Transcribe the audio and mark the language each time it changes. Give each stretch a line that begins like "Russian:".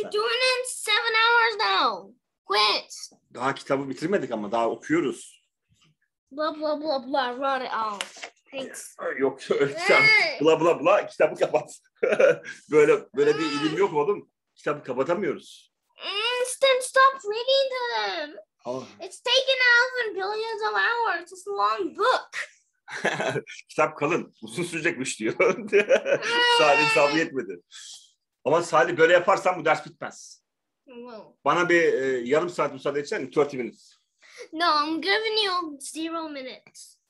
English: You're doing it 7 hours now. Quit.
Turkish: Daha kitabı bitirmedik ama daha okuyoruz.
English: Blah blah blah blah, write it out. Thanks.
Turkish: Yok, ölçem. Blah blah blah, kitabı kapat. böyle bir ilim yok oğlum. Kitabı kapatamıyoruz.
English: Instant, stop reading them. Oh. It's taken 1,000,000,000,000 of hours. It's a long book.
Turkish: Kitap kalın, uzun sürecekmiş diyor. Salih sabır etmedi. Ama Salih, böyle yaparsan bu ders bitmez. Bana bir yarım saat müsaade etsen,
English: 30 minutes. No, I'm giving you 0 minutes.